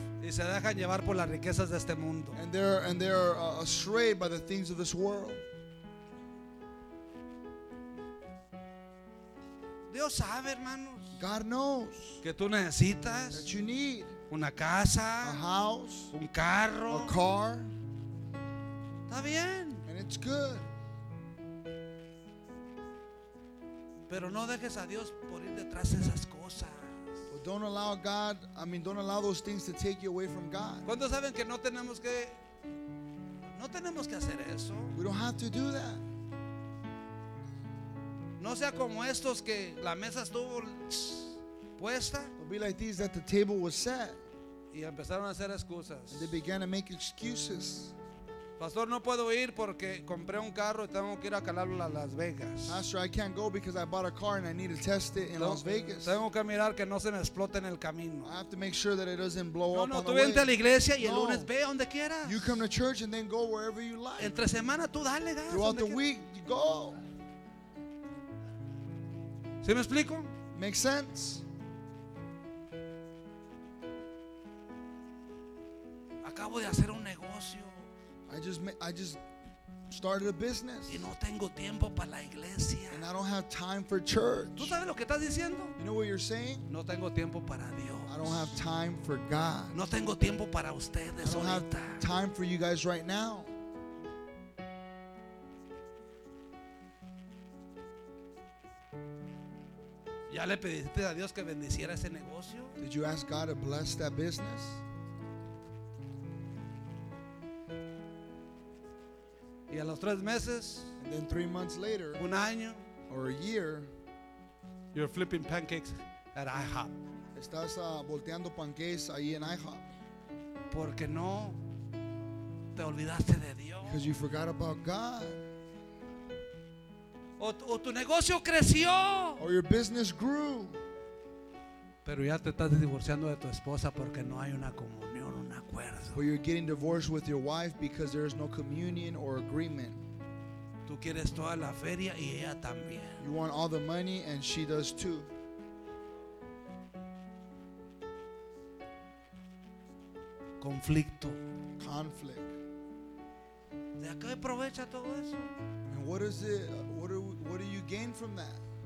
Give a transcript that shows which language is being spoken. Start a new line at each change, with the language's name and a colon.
Spanish: Y se dejan llevar por las riquezas de este mundo.
English: And they're astray by the things of this world.
Spanish: Dios sabe, hermanos.
English: God knows.
Spanish: Que tú necesitas.
English: That you need.
Spanish: Una casa.
English: A house.
Spanish: Un carro.
English: A car.
Spanish: Está bien.
English: And it's good.
Spanish: Pero no dejes a Dios por ir detrás de esas cosas.
English: But don't allow God, don't allow those things to take you away from God.
Spanish: ¿Cuántos saben que no tenemos que hacer eso?
English: We don't have to do that.
Spanish: No sea como estos que la mesa estuvo puesta.
English: Be like these that the table was set.
Spanish: Y empezaron a hacer excusas.
English: And they began to make excuses.
Spanish: Pastor, no puedo ir porque compré un carro y tengo que ir a calarlo a Las Vegas.
English: Pastor, I can't go because I bought a car and I need to test it in Las Vegas.
Spanish: Tengo que mirar que no se me explote en el camino.
English: I have to make sure that it doesn't blow up on the way.
Spanish: No, tú vente a la iglesia y el lunes ve donde quieras.
English: You come to church and then go wherever you like.
Spanish: Entre semana tú dale gas.
English: Throughout the week, you go.
Spanish: ¿Sí me explico?
English: Makes sense.
Spanish: Acabo de hacer un negocio.
English: I just started a business.
Spanish: Y no tengo tiempo para la iglesia.
English: And I don't have time for church.
Spanish: ¿Tú sabes lo que estás diciendo?
English: You know what you're saying?
Spanish: No tengo tiempo para Dios.
English: I don't have time for God.
Spanish: No tengo tiempo para ustedes ahorita.
English: I don't have time for you guys right now.
Spanish: ¿Ya le pediste a Dios que bendiciera ese negocio?
English: Did you ask God to bless that business?
Spanish: Y a los tres meses,
English: and then 3 months later,
Spanish: un año,
English: or a year, you're flipping pancakes at IHOP.
Spanish: Estás volteando pancakes ahí en IHOP. Porque no te olvidaste de Dios.
English: Because you forgot about God.
Spanish: O tu negocio creció.
English: Or your business grew.
Spanish: Pero ya te estás divorciando de tu esposa porque no hay una comunión, un acuerdo.
English: Or you're getting divorced with your wife because there is no communion or agreement.
Spanish: Tú quieres toda la feria y ella también.
English: You want all the money and she does too.
Spanish: Conflicto.
English: Conflict.
Spanish: ¿De qué aprovecha todo eso?
English: And what is it? What do you gain from that?